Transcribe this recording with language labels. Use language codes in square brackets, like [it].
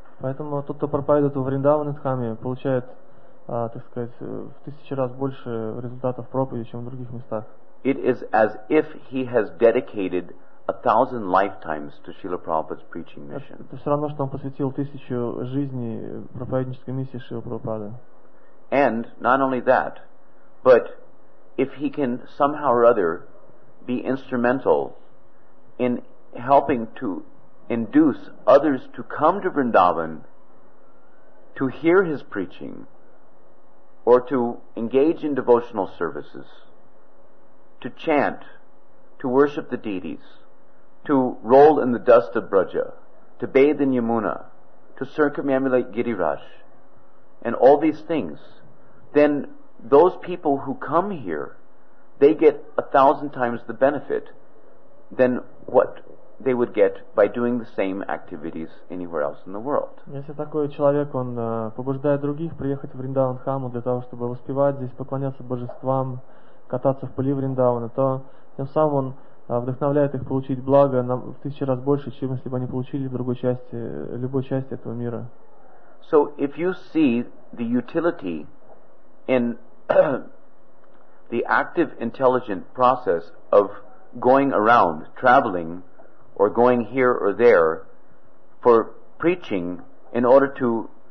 [ru] Поэтому тот, кто проповедует в Вриндаване Дхаме, получает, так сказать, в тысячи раз больше результатов проповеди, чем в других местах. [en] It is as if he has dedicated 1,000 lifetimes to Srila Prabhupada's preaching mission. [ru] Это все равно, что он посвятил тысячу жизней проповеднической миссии Шрилы Прабхупады. [en] And not only that, but if he can somehow or other be instrumental in helping to induce others to come to Vrindavan to hear his preaching, or to engage in devotional services, to chant, to worship the deities, to roll in the dust of Braja, to bathe in Yamuna, to circumambulate Giriraj, and all these things, then those people who come here, they get 1,000 times the benefit than what they would get by doing the same activities anywhere else in the world. [ru] Если такой человек, он побуждает других приехать в Вриндаван-Хаму для того, чтобы воспевать здесь, поклоняться божествам, кататься в пыли Вриндавана, то тем самым он вдохновляет их получить благо в 1000 раз больше, чем если бы они получили в другой части, любой части этого мира. [en] So if you see the utility in the active intelligent process of going around, traveling, or going here or there for preaching in order to,